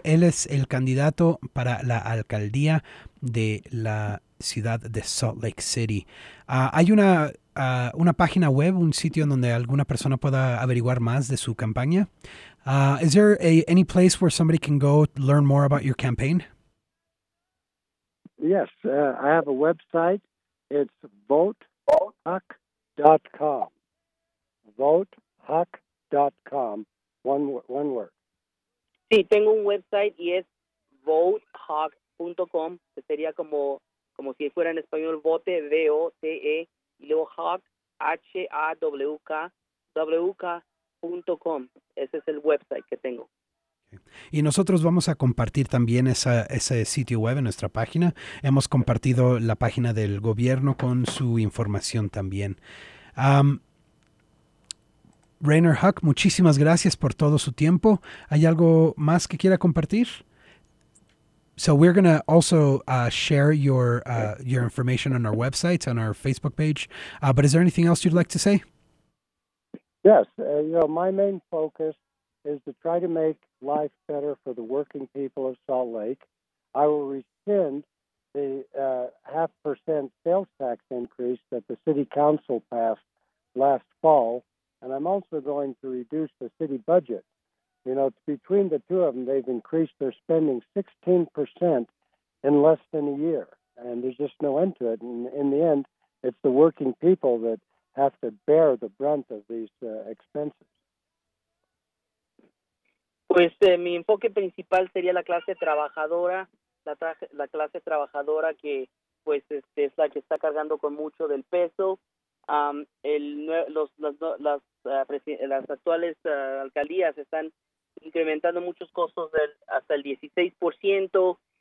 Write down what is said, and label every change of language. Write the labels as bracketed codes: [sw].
[es] Él es el candidato para la alcaldía de la ciudad de Salt Lake City. Hay una página web, un sitio en donde alguna persona pueda averiguar más de su campaña. [en] Is there any place where somebody can go learn more about your campaign? Yes, I have a website. It's votehuck.com. Votehuck.com. One word. [es] Sí, tengo un website y es votehuck.com, que sería como si fuera en español vote, V-O-T-E, y luego hawk, H-A-W-K, W-K.com. Ese es el website que tengo. Y nosotros vamos a compartir también ese sitio web en nuestra página. Hemos compartido la página del gobierno con su información también. Rainer Huck, muchísimas gracias por todo su tiempo. ¿Hay algo más que quiera compartir? [en] So we're going to also share your information on our website, on our Facebook page. But is there anything else you'd like to say? Yes. My main focus is to try to make life better for the working people of Salt Lake. I will rescind the 0.5% sales tax increase that the city council passed last fall. And I'm also going to reduce the city budget. Between the two of them, they've increased their spending 16% in less than a year. And there's just no end to it. And in the end, it's the working people that have to bear the brunt of these expenses. [es] Pues mi enfoque principal sería la clase trabajadora, la clase trabajadora que pues es la que está cargando con mucho del peso. Las actuales alcaldías están incrementando muchos costos hasta el 16%.